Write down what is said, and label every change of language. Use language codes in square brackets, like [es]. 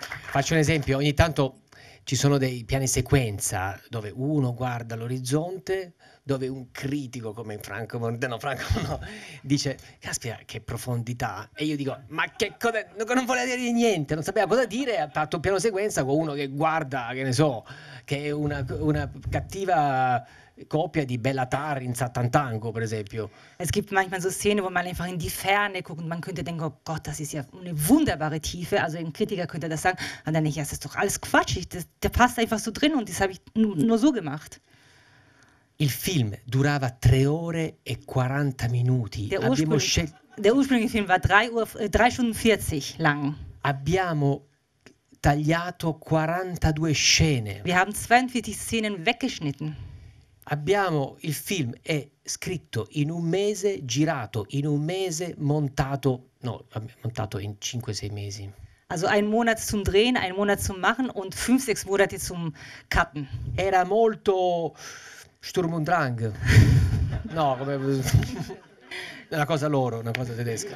[it] Faccio un esempio, ogni tanto ci sono dei piani sequenza dove uno guarda l'orizzonte, dove un critico come Franco Mordano, Franco no, dice, caspita che profondità, e io dico, ma che cosa, non voleva dire niente, non sapeva cosa dire, ha fatto un piano sequenza con uno che guarda, che ne so, che è una cattiva copia di Bellatar in Satantango, per esempio. [de] Es gibt manchmal so Szenen, wo man einfach in die Ferne guckt und man könnte denken, oh Gott, das ist ja eine wunderbare Tiefe. Also ein Kritiker könnte das sagen. Und dann denke ich, ja, das ist doch alles Quatsch. Der passt einfach so drin und das habe ich nur so gemacht. [it] Il film durava 3 ore e 40 minuti. [de] Der ursprüngliche Film war 3 Stunden 40 lang. [it] Abbiamo tagliato 42 scene. [de] Wir haben 42 Szenen weggeschnitten. [it] Abbiamo, il film è scritto in un mese, girato in un mese, montato in 5-6 mesi. [de] Also ein Monat zum Drehen, ein Monat zum Machen und 5-6 Monate zum Cutten. [it] Era molto Sturm und Drang. No, come una cosa loro, una cosa tedesca.